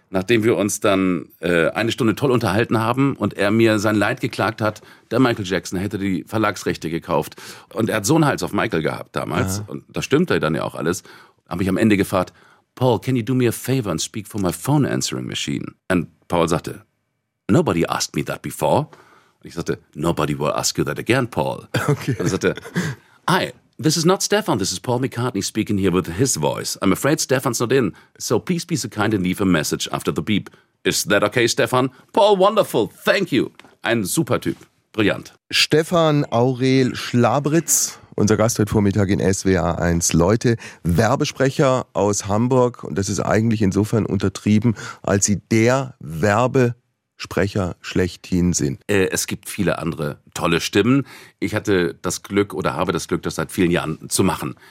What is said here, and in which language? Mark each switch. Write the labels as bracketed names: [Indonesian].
[German] Nachdem wir uns dann eine Stunde toll unterhalten haben und er mir sein Leid geklagt hat, der Michael Jackson hätte die Verlagsrechte gekauft. Und er hat so einen Hals auf Michael gehabt damals. Aha. Und das stimmte dann ja auch alles. Habe ich am Ende gefragt, [English] Paul, can you do me a favor and speak for my phone answering machine? [German] Und Paul sagte, [English] nobody asked me that before. [German] Und ich sagte, [English] nobody will ask you that again, Paul. Okay. [German] Und er sagte, [English] hi, this is not Stefan, this is Paul McCartney speaking here with his voice. I'm afraid Stefan's not in, so please be so kind and leave a message after the beep. Is that okay, Stefan? Paul, wonderful, thank you. [German] Ein super Typ, brillant. Stefan Aurel Schlabritz. Unser Gast heute Vormittag in SWR 1, Leute, Werbesprecher aus Hamburg, und das ist eigentlich insofern untertrieben, als Sie der Werbesprecher schlechthin sind. Es gibt viele andere tolle Stimmen. Ich hatte das Glück oder habe das Glück, das seit vielen Jahren zu machen.